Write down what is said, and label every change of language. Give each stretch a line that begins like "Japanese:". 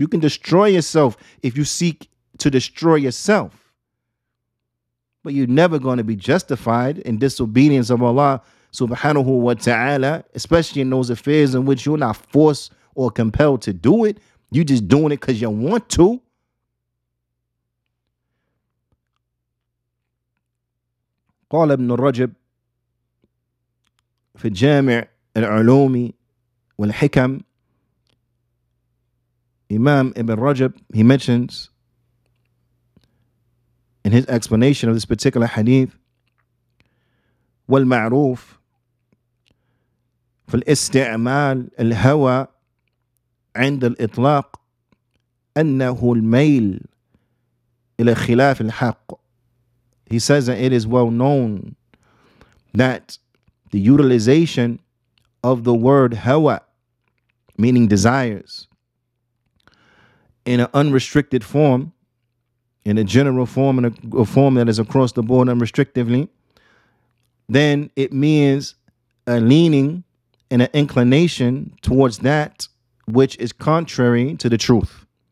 English: You can destroy yourself if you seek to destroy yourself. But you're never going to be justified in disobedience of Allah subhanahu wa ta'ala, especially in those affairs in which you're not forced or compelled to do it. You're just doing it because you want to.
Arabic: قال ابن رجب في الجامع العلوم والحكم إمام ابن رجب,
English: he mentions in his explanation of this particular hadith,
Arabic: والمعروف في الاستعمال الهوى عند الإطلاق أنه الميل إلى خلاف الحق.
English: He says that it is well known that the utilization of the word hawa, meaning desires, in an unrestricted form, in a general form, in a form that is across the board unrestrictively, then it means a leaning and an inclination towards that which is contrary to the truth.